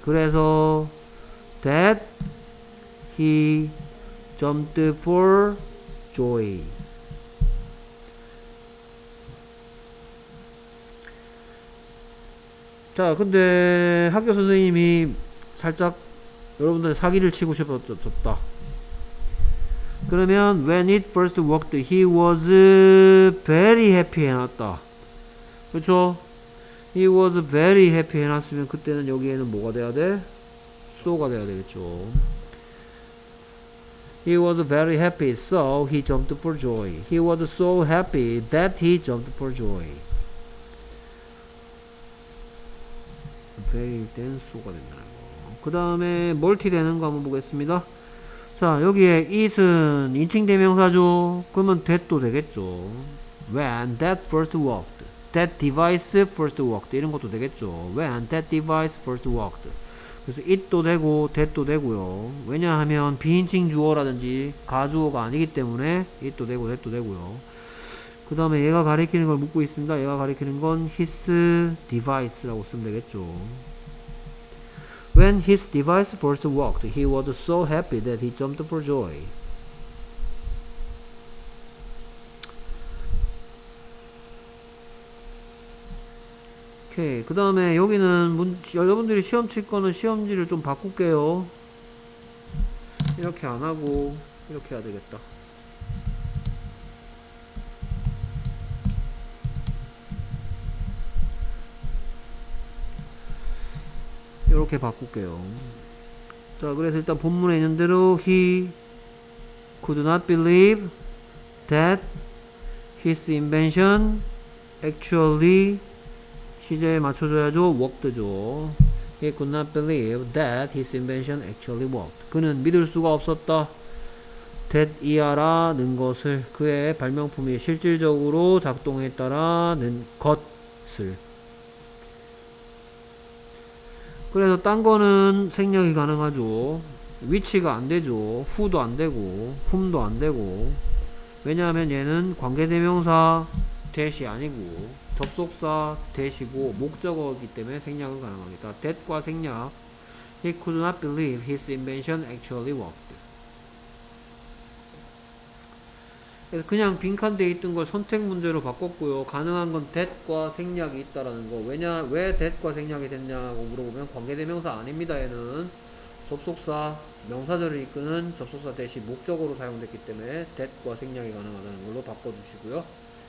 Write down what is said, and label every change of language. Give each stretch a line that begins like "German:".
Korean: 그래서
English: that he jumped for joy.
Korean: 자, 근데 학교 선생님이 살짝 여러분들 사기를 치고 싶었다. 그러면
English: when it first worked, he was very happy
Korean: 해놨다. 그렇죠?
English: He was very happy
Korean: 해놨으면 그때는 여기에는 뭐가 돼야 돼? So가 돼야 되겠죠.
English: He was very happy, so he jumped for joy. He was so happy that he jumped for joy.
Korean: Very 된 so가 된다는 거. 그 다음에 multi 되는 거 한번 보겠습니다. 자, 여기에 it은 인칭 대명사죠. 그러면 that도 되겠죠.
English: When that first worked, that device first worked,
Korean: 이런 것도 되겠죠.
English: When that device first worked,
Korean: 그래서 it도 되고 that도 되고요. 왜냐하면 비인칭 주어라든지 가주어가 아니기 때문에 it도 되고 that도 되고요. 그 다음에 얘가 가리키는 걸 묻고 있습니다. 얘가 가리키는 건 his device라고 쓰면 되겠죠.
English: When his device first worked, he was so happy that he jumped for joy.
Korean: 오케이, 그 다음에 여기는 여러분들이 시험 칠 거는 시험지를 좀 바꿀게요. 이렇게 안 하고 이렇게 해야 되겠다. 이렇게 바꿀게요. 자, 그래서 일단 본문에 있는 대로
English: he could not believe that his invention actually
Korean: 시제에 맞춰줘야죠. worked죠.
English: He could not believe that his invention actually worked.
Korean: 그는 믿을 수가 없었다. that 이하라는 것을 그의 발명품이 실질적으로 작동했다라는 것을. 그래서 딴 거는 생략이 가능하죠. 위치가 안 되죠. 후도 안 되고 훔도 안 되고. 왜냐하면 얘는 관계대명사 대시 아니고 접속사 대시고 목적어이기 때문에 생략은 가능합니다. that과 생략.
English: He could not believe his invention actually worked.
Korean: 그래서 그냥 빈칸 돼 있던 걸 선택 문제로 바꿨고요. 가능한 건 that과 생략이 있다라는 거. 왜냐, 왜 that과 생략이 됐냐고 물어보면 관계대명사 아닙니다. 얘는 접속사 명사절을 이끄는 접속사 대신 목적으로 사용됐기 때문에 that과 생략이 가능하다는 걸로 바꿔주시고요.